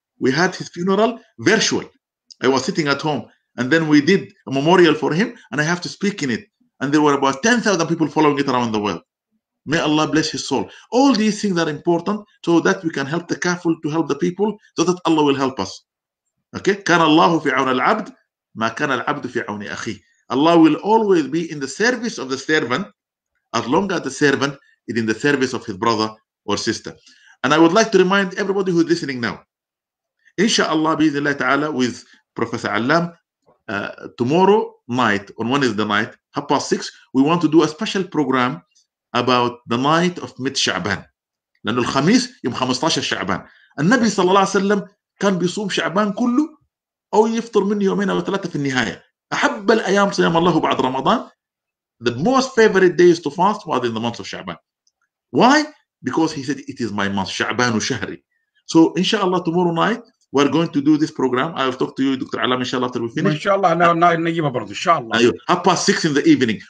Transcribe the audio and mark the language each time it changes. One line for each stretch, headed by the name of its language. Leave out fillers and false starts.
English: We had his funeral virtual. I was sitting at home, and then we did a memorial for him, and I have to speak in it. And there were about 10,000 people following it around the world. May Allah bless his soul. All these things are important so that we can help the careful to help the people, so that Allah will help us. Okay?
Arabic: كان الله في عون العبد ما كان العبد في عون أخيه.
English: Allah will always be in the service of the servant, as long as the servant is in the service of his brother or sister. And I would like to remind everybody who is listening now, inshallah, bi-idhnillah ta'ala, with Professor Allam, tomorrow night, on Wednesday night, 6:30, we want to do a special program about the night of mid-Sha'ban.
Arabic: لأن الخميس يوم 15 شعبان. النبي صلى الله عليه وسلم كان بيصوم شعبان كله أو يفطر منه يومين أو ثلاثة في النهاية. أحب الأيام صيام الله بعد رمضان.
English: The most favorite days to fast was in the month of Sha'ban. Why? Because he said, it is my month, Sha'ban and Shahri. So, inshallah, tomorrow night, we're going to do this program. I will talk to you, Dr. Alam, inshallah, after we finish. Inshallah, inshallah. At 6:00 in the evening.